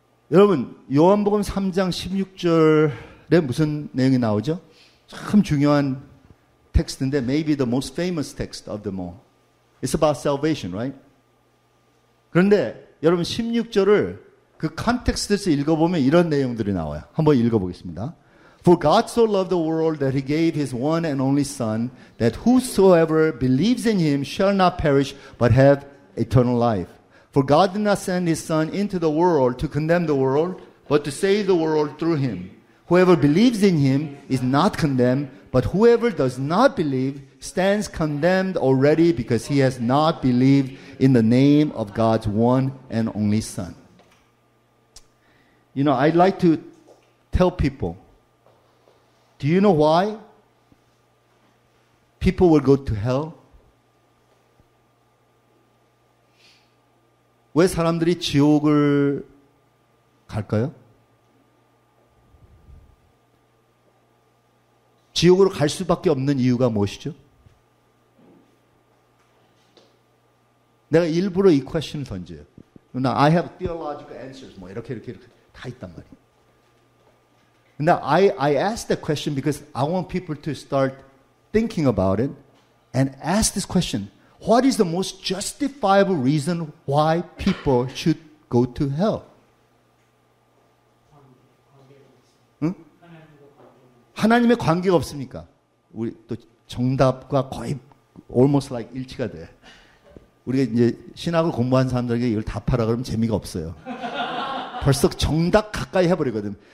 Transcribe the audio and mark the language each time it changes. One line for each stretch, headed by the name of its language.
Korean: 여러분 요한복음 3장 16절에 무슨 내용이 나오죠? 참 중요한 텍스트인데
English: maybe the most famous text of them all. It's about salvation, right?
Korean: 그런데 여러분 16절을 그 컨텍스트에서 읽어보면 이런 내용들이 나와요. 한번 읽어보겠습니다.
English: For God so loved the world that he gave his one and only son that whosoever believes in him shall not perish but have eternal life. For God did not send his son into the world to condemn the world but to save the world through him. Whoever believes in him is not condemned but whoever does not believe stands condemned already because he has not believed in the name of God's one and only son. You know, I'd like to tell people, do you know why people will go to hell?
Korean: 왜 사람들이 지옥을 갈까요? 지옥으로 갈 수밖에 없는 이유가 무엇이죠? 내가 일부러 이 question을 던져요. 나
English: I have theological answers.
Korean: 뭐 이렇게 다 있단 말이에요. 근데
English: I ask that question because I want people to start thinking about it and ask this question. What is the most justifiable reason why people should go to hell?
Korean: 하나님의 관계가 없습니까? 우리 또 정답과 거의
English: almost like
Korean: 일치가 돼. 우리가 이제 신학을 공부한 사람들에게 이걸 답하라 그러면 재미가 없어요. 벌써 정답 가까이 해버리거든.